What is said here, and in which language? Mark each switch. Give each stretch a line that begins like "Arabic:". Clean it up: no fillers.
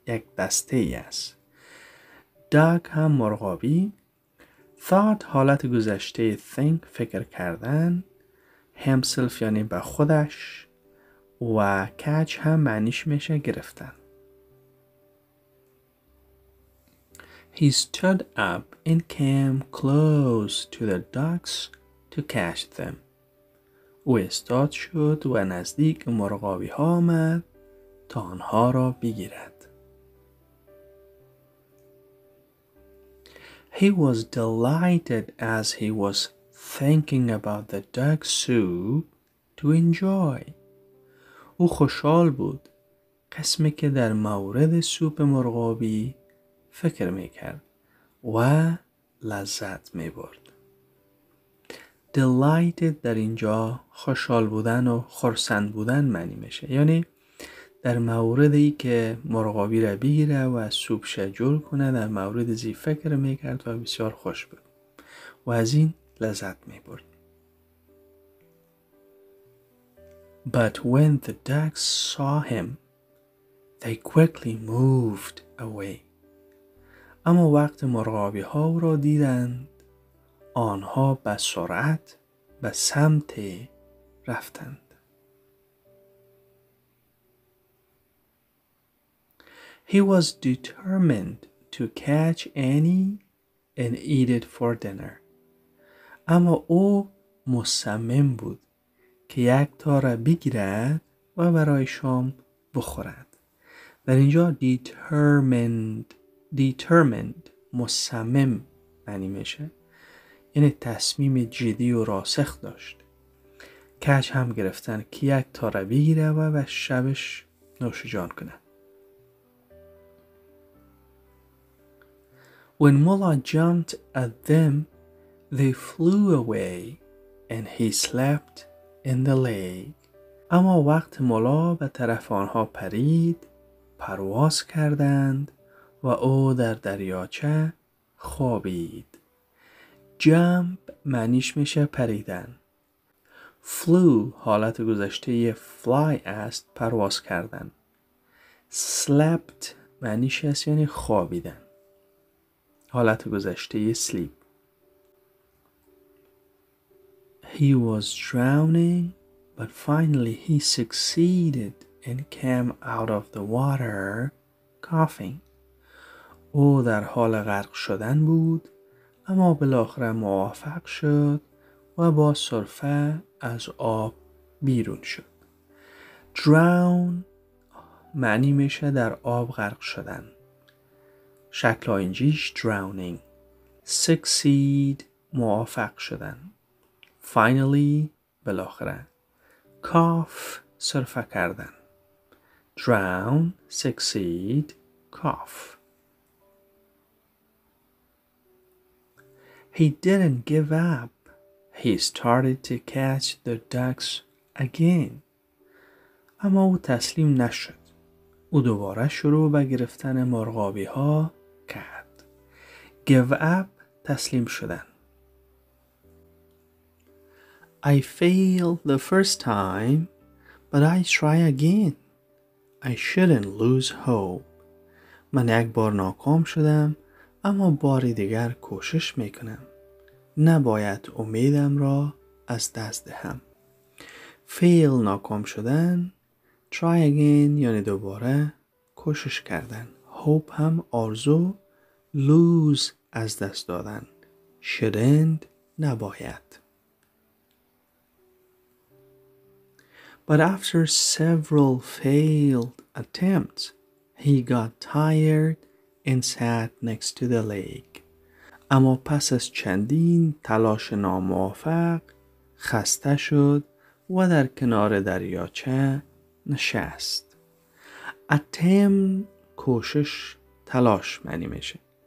Persian: یک دسته ای است. Duck هم مرغابی. Thought حالت گذشته think فکر کردن. Himself یعنی به خودش. و catch هم معنیش میشه گرفتن.
English: He stood up and came close to the ducks to catch them.
Persian: او استاد شد و نزدیک مرغابی ها آمد تا آنها را بگیرد.
English: He was delighted as he was thinking about the duck soup to enjoy.
Persian: او خوشحال بود قسمی که در مورد سوپ مرغابی فکر میکرد و لذت میبرد. Delighted در اینجا خوشحال بودن و خرسند بودن معنی میشه. یعنی در موردی که مرغابی را بگیره و سوپ شجور کنه در مورد زی فکر میکرد و بسیار خوش بود. و از این لذت میبرد.
English: But when the ducks saw him, they quickly moved away.
Persian: اما وقت مرغابی ها او را دیدند آنها به سرعت به سمت رفتند.
English: He was determined to catch any and eat it for dinner.
Persian: اما او مصمم بود که یک تا را بگیرد و برای شام بخورد. در اینجا determined مصمم معنی میشه. یعنی تصمیم جدی و راسخ داشت. کچ هم گرفتن که یک تا را بگیره و شبش نوشجان کنه.
English: When Mulla jumped at them, they flew away and he slept in the lake.
Persian: اما وقت مولا به طرف آنها پرید، پرواز کردند و او در دریاچه خوابید. Jump معنیش میشه پریدن. Flew حالت گذشته fly است، پرواز کردن. Slept معنیش است یعنی خوابیدن. حالت گذشته sleep.
English: He was drowning, but finally he succeeded and came out of the water, coughing.
Persian: او در حال غرق شدن بود، اما بالاخره موفق شد و با سرفه از آب بیرون شد. Drown معنی میشه در آب غرق شدن. شکل آینجیش drowning. Succeed موفق شدن. Finally بالاخره. Cough سرفه کردن.
English: Drown, succeed, cough. He didn't give up. He started to catch the ducks again.
Persian: اما او تسلیم نشد. او دوباره شروع به گرفتن مرغابی ها کرد.
English: Give up
Persian: تسلیم شدن.
English: I failed the first time, but I try again. I shouldn't lose hope.
Persian: من یک بار ناکام شدم، اما باری دیگر کوشش میکنم. نباید امیدم را از دست دهم. Fail ناکام شدن،
English: try again
Persian: یعنی دوباره کوشش کردن. Hope هم آرزو، lose از دست دادن. Shouldn't نباید.
English: But after several failed attempts, he got tired and sat next to the lake.
Persian: اما پس از چندین تلاش ناموفق خسته شد و در کنار دریاچه نشست. Attempt کوشش تلاش معنی میشه.